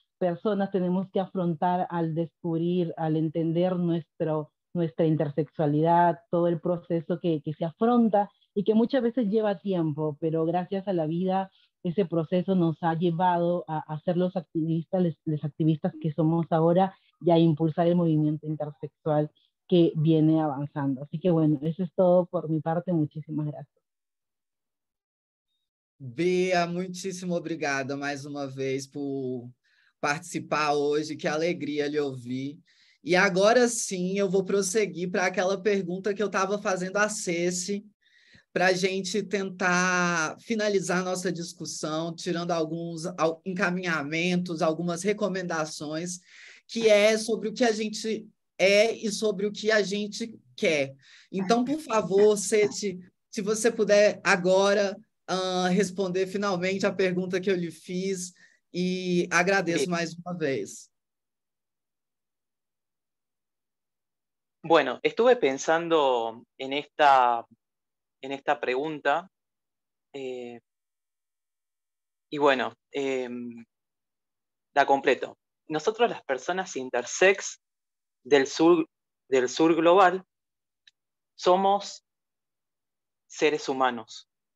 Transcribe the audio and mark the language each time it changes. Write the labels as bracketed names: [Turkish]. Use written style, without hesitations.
[Spanish] personas tenemos que afrontar al descubrir, al entender nuestra intersexualidad, todo el proceso que se afronta y que muchas veces lleva tiempo, pero gracias a la vida ese proceso nos ha llevado a ser los activistas, los activistas que somos ahora, y a impulsar el movimiento intersexual que viene avanzando. Así que bueno, eso es todo por mi parte, muchísimas gracias. [Portuguese] Bea, muchísimo obrigada más una vez por participar hoje, [Spanish] qué alegría le oí. [Portuguese] E agora sim, eu vou prosseguir para aquela pergunta que eu estava fazendo a Ceci, para a gente tentar finalizar nossa discussão, tirando alguns encaminhamentos, algumas recomendações, que é sobre o que a gente é e sobre o que a gente quer. Então, por favor, Ceci, se você puder agora responder finalmente a pergunta que eu lhe fiz, e agradeço mais uma vez. [Spanish] Bueno, estuve pensando en esta pregunta y bueno, la completo. Nosotros las personas intersex del sur global somos seres humanos.